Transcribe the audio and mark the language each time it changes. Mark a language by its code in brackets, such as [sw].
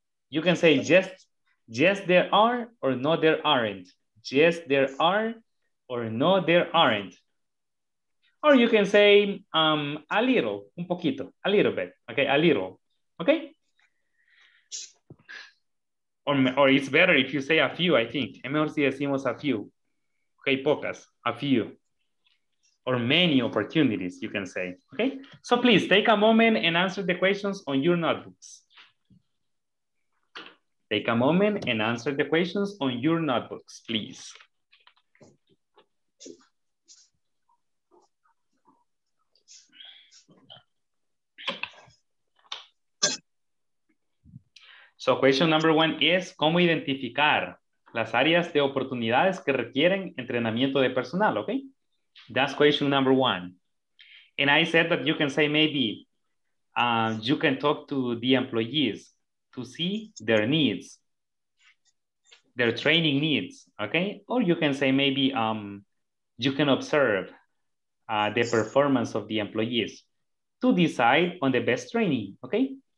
[en] You can say, yes, there are, or no, there aren't. Yes, there are, or no, there aren't. Or you can say a little, [es] un poquito, [en] a little bit, okay, a little, okay? Or it's better if you say a few, I think. [es] Es mejor si decimos [en] a few, [es] okay, pocas, a few. [en] Or many opportunities, you can say, okay? So please take a moment and answer the questions on your notebooks. Take a moment and answer the questions on your notebooks, please. So question number one is, [es] ¿cómo identificar las áreas de oportunidades que requieren entrenamiento de personal? [en] Okay, that's question number one. And I said that you can say maybe, you can talk to the employees to see their needs, their training needs, okay? Or you can say maybe you can observe the performance of the employees to decide on the best training, okay?